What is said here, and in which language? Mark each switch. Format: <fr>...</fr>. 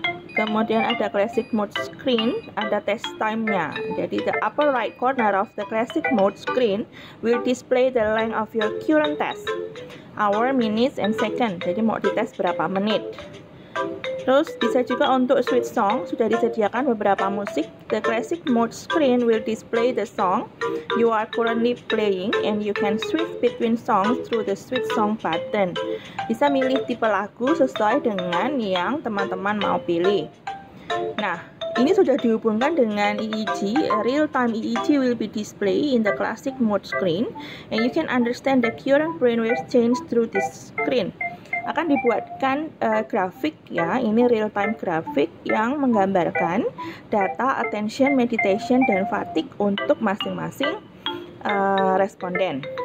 <id>Kemudian ada classic mode screen, ada test time-nya.</id> <en>Jadi the upper right corner of the classic mode screen will display the length of your current test. Hour, minutes, and second.</en> <id>Jadi mau dites berapa menit. Terus bisa juga untuk switch song, sudah disediakan beberapa musik.</id> <en>The classic mode screen will display the song you are currently playing and you can switch between songs through the switch song button.</en> <id>Bisa milih tipe lagu sesuai dengan yang teman-teman mau pilih. Nah, ini sudah dihubungkan dengan EEG.</id> <en>Real-time EEG will be displayed in the classic mode screen and you can understand the current brainwave change through this screen.</en> <id>Akan dibuatkan grafik ya, ini real time grafik yang menggambarkan data attention, meditation, dan fatigue untuk masing-masing responden.</id>